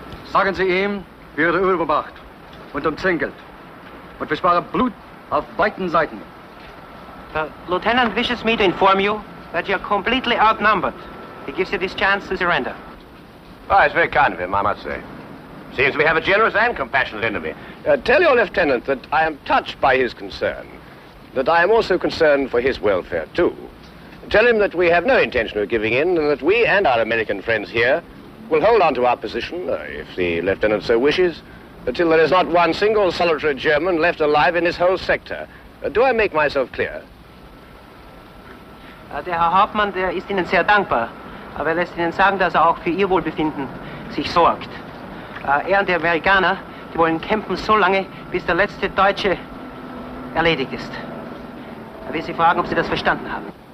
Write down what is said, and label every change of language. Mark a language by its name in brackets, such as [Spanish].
[German] Sagen Sie ihm, wir haben ihn überwacht und umzingelt. Und wir sparen Blut auf beiden Seiten. [English] The Lieutenant wishes me to inform you that you are completely outnumbered. He gives you this chance to surrender. Oh, it's very kind of him, I must say. Seems we have a generous and compassionate enemy. Tell your Lieutenant that I am touched by his concern. That I am also concerned for his welfare, too. Tell him that we have no intention of giving in and that we and our American friends here we'll hold on to our position, if the lieutenant so wishes, until there is not one single solitary German left alive in this whole sector. Do I make myself clear? [German] Der Herr Hauptmann, der ist Ihnen sehr dankbar, aber er lässt Ihnen sagen, dass er auch für Ihr Wohlbefinden sich sorgt. Er und die Amerikaner, die wollen kämpfen so lange, bis der letzte Deutsche erledigt ist. Er will Sie fragen, ob Sie das verstanden haben.